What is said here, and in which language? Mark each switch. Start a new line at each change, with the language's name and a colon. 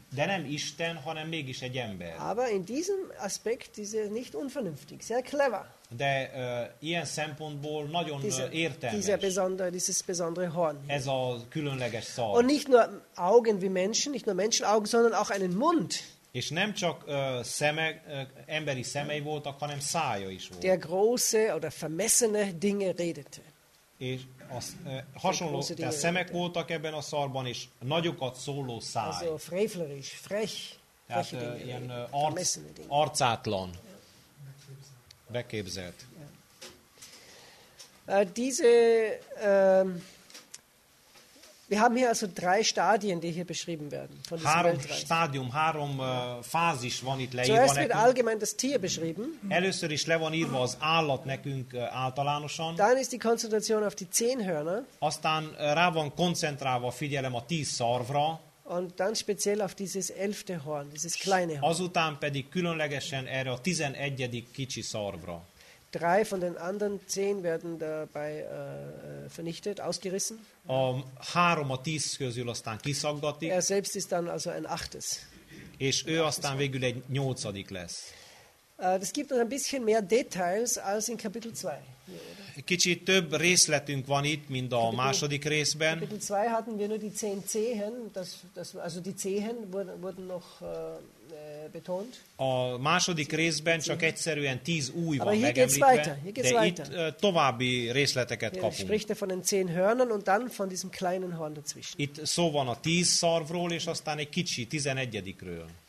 Hungarian: De nem Isten, hanem mégis egy ember.
German: Aber in diesem Aspekt ist er nicht unvernünftig, sehr clever.
Hungarian: De ilyen szempontból nagyon értelmes.
German: Dieses besondere Horn.
Hungarian: Ez a különleges szarv.
German: Und nicht nur Augen wie Menschen, nicht nur Menschenaugen, sondern auch einen Mund.
Hungarian: És nem csak emberi szemei voltak, hanem szája is volt.
German: Der große oder vermessene Dinge redete.
Hungarian: És hasonló, tehát szemek voltak ebben a szarban, és nagyokat szóló száj.
German: Also frevlerisch, frech.
Hungarian: Tehát ilyen arcátlan.
German: Ja.
Hungarian: Beképzelt.
German: Ja. Wir haben hier also drei Stadien, die hier beschrieben werden. Von
Hungarian: három
German: Weltreich.
Hungarian: Stádium, három fázis van itt leírva
German: zuerst
Hungarian: nekünk.
German: Zuerst wird allgemein das Tier beschrieben.
Hungarian: Először is le van írva az állat nekünk általánosan.
German: Dann ist die Konzentration auf die 10 Hörner.
Hungarian: Aztán rá van koncentrálva a figyelem a 10 szarvra.
German: Und dann speziell auf dieses elfte Horn, dieses kleine Horn.
Hungarian: Azután pedig különlegesen erre a 11. kicsi szarvra.
German: Drei von den anderen 10 werden dabei vernichtet, ausgerissen.
Hungarian: A három a 10 közül aztán kiszaggatik.
German: Er selbst ist dann also ein achtes.
Hungarian: És ő aztán végül egy 8. lesz.
German: Es gibt noch ein bisschen mehr Details als in Kapitel 2.
Hungarian: Kicsit több részletünk van itt, mint a második részben.
German: Kapitel 2 hatten wir nur die 10 Zehen, also die Zehen wurden noch betont.
Hungarian: A második részben csak egyszerűen 10 új van megemlítve, de itt további részleteket kapunk.
German: Hier spricht er von den 10 Hörnern und dann von diesem kleinen Horn dazwischen.
Hungarian: Itt szó van a 10 szarvról, és aztán egy kicsi 11-ről.